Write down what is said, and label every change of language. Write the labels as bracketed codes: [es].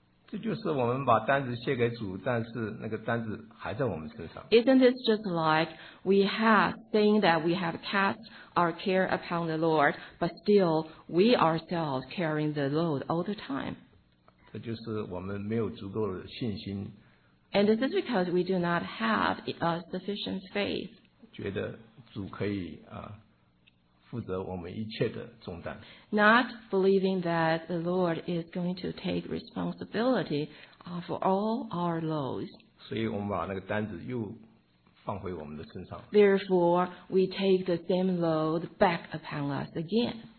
[zh] 这就是我们把担子卸给主，但是那个担子还在我们身上。 [en] Isn't this just like we have saying that we have cast our care upon the Lord, but still we ourselves carrying the load all the time? [zh] 这就是我们没有足够的信心。 [en] And this is because we do not have a sufficient faith. [zh] 觉得主可以负责我们一切的重担。 [en] Not believing that the Lord is going to take responsibility for all our loads. [zh] 所以我们把那个担子又放回我们的身上。 [en] Therefore, we take the same load back upon us again.